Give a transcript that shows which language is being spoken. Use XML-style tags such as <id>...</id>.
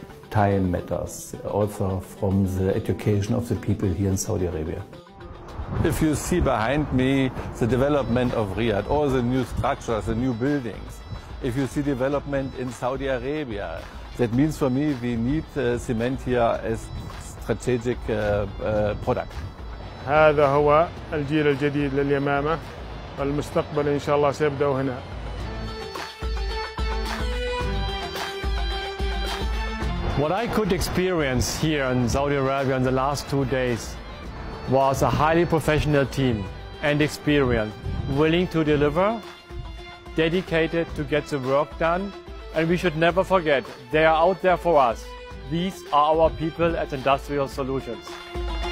<en>Time matters, also from the education of the people here in Saudi Arabia. If you see behind me the development of Riyadh, all the new structures, the new buildings, if you see development in Saudi Arabia, that means for me we need cement here as strategic product.</en> <ar>هذا هو الجيل الجديد لليمامة والمستقبل إن شاء الله سيبدأ هنا.</ar> <en>What I could experience here in Saudi Arabia in the last 2 days was a highly professional team and experienced, willing to deliver, dedicated to get the work done. And we should never forget, they are out there for us. These are our people at Industrial Solutions.</en>